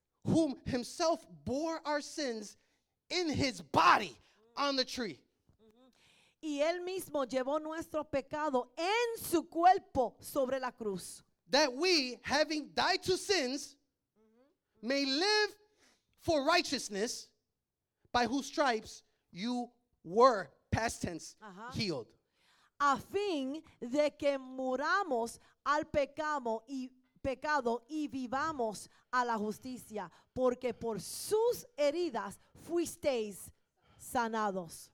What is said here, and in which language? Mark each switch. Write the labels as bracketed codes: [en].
[en] Whom himself bore our sins in his body on the tree. [es] Y él mismo llevó nuestro pecado en su cuerpo sobre la cruz. [en] That we, having died to sins, may live for righteousness, by whose stripes you were, past tense, healed. [es] A fin de que muramos al pecado y vivamos a la justicia, porque por sus heridas fuisteis sanados.